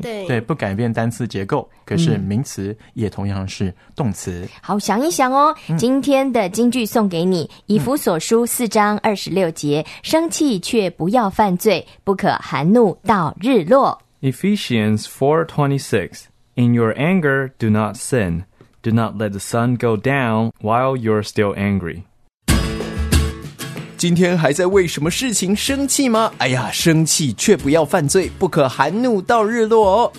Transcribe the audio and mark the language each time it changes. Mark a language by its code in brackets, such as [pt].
[zh] 对，不改变单词结构，可是名词也同样是动词。好，想一想哦，今天的金句送给你：以弗所书4:26，生气却不要犯罪，不可含怒到日落。 [en] Ephesians 4:26, In your anger, do not sin. Do not let the sun go down while you're still angry. [zh] 今天还在为什么事情生气吗？哎呀，生气却不要犯罪，不可含怒到日落哦。